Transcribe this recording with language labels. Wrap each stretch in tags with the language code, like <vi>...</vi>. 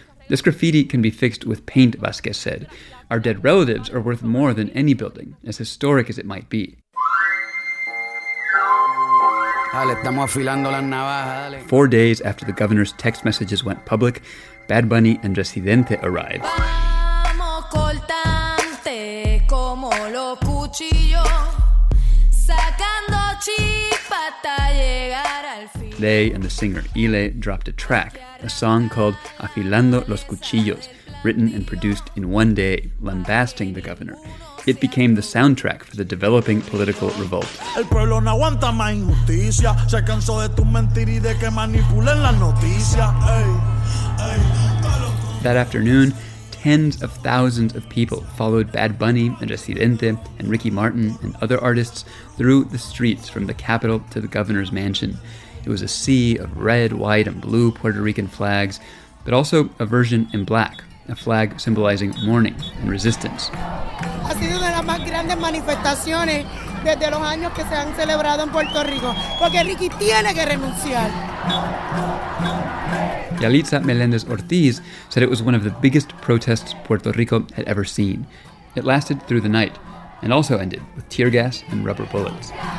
<en>This graffiti can be fixed with paint, Vasquez said. Our dead relatives are worth more than any building, as historic as it might be.</en> <es>Dale, estamos afilando las navajas, dale.</es> <en>4 days after the governor's text messages went public, Bad Bunny and Residente arrived.</en> <es>Vamos cortante, como los cuchillos, sacando chispa hasta llegar al fin.</es> <en>They and the singer Ile dropped a track, a song called Afilando los Cuchillos, written and produced in 1 day, lambasting the governor. It became the soundtrack for the developing political revolt.</en> <es>El pueblo no aguanta más injusticia. Se cansó de tus mentiras y de que manipulen las noticias.</es> <en>That afternoon, tens of thousands of people followed Bad Bunny and Residente and Ricky Martin and other artists through the streets from the capital to the governor's mansion. It was a sea of red, white, and blue Puerto Rican flags, but also a version in black. A flag symbolizing mourning and resistance.</en> <es>Ha sido una de las más grandes manifestaciones desde los años que se han celebrado en Puerto Rico, porque Ricky tiene que renunciar.</es> <en>Yalitza Meléndez Ortiz said it was one of the biggest protests Puerto Rico had ever seen. It lasted through the night and also ended with tear gas and rubber bullets.</en>